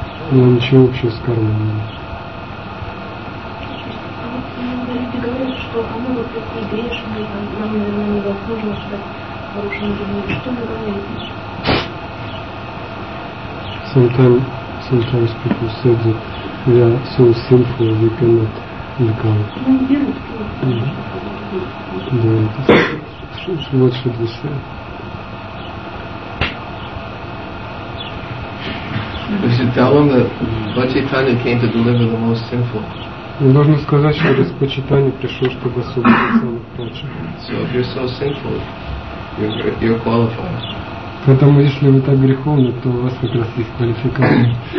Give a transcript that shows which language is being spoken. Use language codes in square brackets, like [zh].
[ru] Но ничего общего с кармой не имеет. А вот иногда люди говорят, что оно вот и грешное, нам, наверное, невозможно стать хорошим людьми. Что вы говорите? [en] Sometimes people say that we are so sinful we cannot become. Yeah. What should we say? We should tell them that Lord Chaitanya came to deliver the most sinful. [ru] Мы должны сказать, что Господь Чайтанья пришел, чтобы освободить самых падших. [en] So if you're so sinful, you're qualified. [ru] Поэтому если вы так греховны, то у вас как раз есть квалификация.